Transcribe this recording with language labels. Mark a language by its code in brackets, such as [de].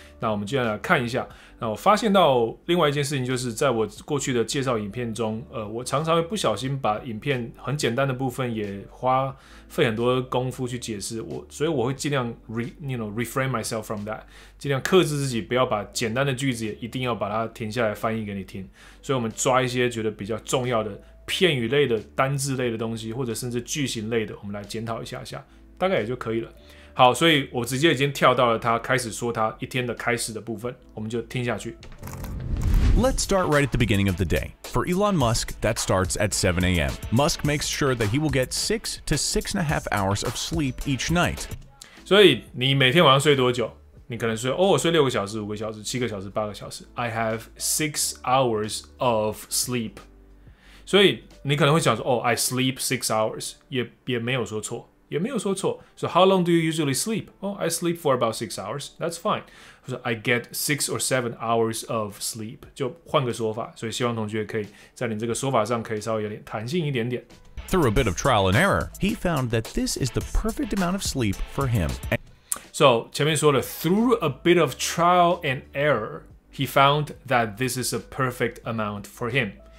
[zh] 那我们接下来看一下。那我发现到另外一件事情，就是在我过去的介绍影片中，我常常会不小心把影片很简单的部分也花费很多功夫去解释，所以我会尽量 [en] refrain myself from that， [zh] 尽量克制自己，不要把简单的句子也一定要把它停下来翻译给你听。所以我们抓一些觉得比较重要的片语类的单字类的东西，或者甚至句型类的，我们来检讨一下下，大概也就可以了。好，所以我直接已经跳到了他开始说他一天的开始的部分，我们就听下去。 [en] Let's start right at the beginning of the day. For Elon Musk, that starts at 7 a.m. Musk makes sure that he will get 6 to 6.5 hours of sleep each night. [zh] 所以你每天晚上睡多久？你可能睡，我睡六个小时、五个小时、七个小时、八个小时。 [en] I have 6 hours of sleep. [zh] 所以你可能会想说， [en] I sleep 6 hours， [zh] 也没有说错。也没有说错。 [en] So how long do you usually sleep? Oh, I sleep for about 6 hours. That's fine. So I get 6 or 7 hours of sleep. [zh] 就换个说法。所以希望同学可以在你这个说法上可以稍微有点弹性一点点。 [en] Through a bit of trial and error, he found that this is the perfect amount of sleep for him. So [zh] 前面说的 [en] through a bit of trial and error, he found that this is a perfect amount for him.